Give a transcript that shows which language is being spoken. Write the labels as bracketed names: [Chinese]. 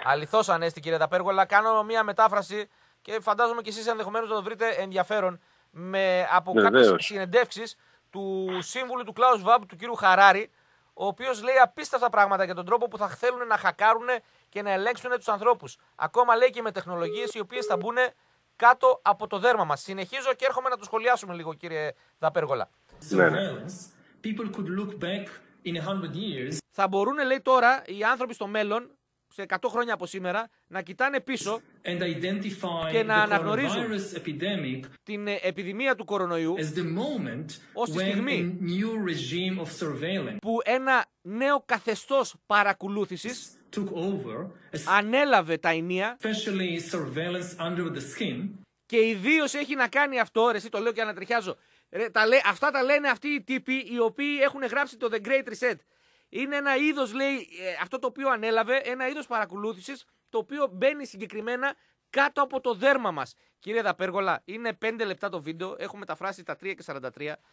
[Greek] Αληθώς Ανέστη, κύριε Δαπέργολα. Κάνω μία μετάφραση και φαντάζομαι και εσείς ενδεχομένως να το βρείτε ενδιαφέρον από κάποιες συνεντεύξεις του σύμβουλου του Klaus Schwab, του κύριου Harari, ο οποίος λέει απίστευτα πράγματα για τον τρόπο που θα θέλουν να χακάρουν και να ελέγξουν τους ανθρώπους. Ακόμα λέει και με τεχνολογίες οι οποίες θα μπουν κάτω από το δέρμα μας. Συνεχίζω και έρχομαι να το σχολιάσουμε λίγο, κύριε Δαπέργολα. Ναι. [English] People could look back in 100 years. [Greek] Θα μπορούν, λέει, τώρα οι άνθρωποι στο μέλλον, σε 100 χρόνια από σήμερα, να κοιτάνε πίσω [English] and identify [Greek] και να αναγνωρίζουν [English] the coronavirus epidemic [Greek] την επιδημία του κορονοϊού [English] as the moment [Greek] ως τη στιγμή [English] when a new regime of surveillance [Greek] που ένα νέο καθεστώς παρακολούθησης [English] took over, [Greek] ανέλαβε τα ηνία, [English] especially surveillance under the skin, [Greek] και ιδίως έχει να κάνει αυτό, ρε, εσύ το λέω και ανατριχιάζω. Αυτά τα λένε αυτοί οι τύποι οι οποίοι έχουν γράψει το The Great Reset. Είναι ένα είδος, λέει, αυτό το οποίο ανέλαβε, ένα είδος παρακολούθησης, το οποίο μπαίνει συγκεκριμένα κάτω από το δέρμα μας. Κύριε Δαπέργολα, είναι 5 λεπτά το βίντεο, έχω μεταφράσει τα 3 και 43.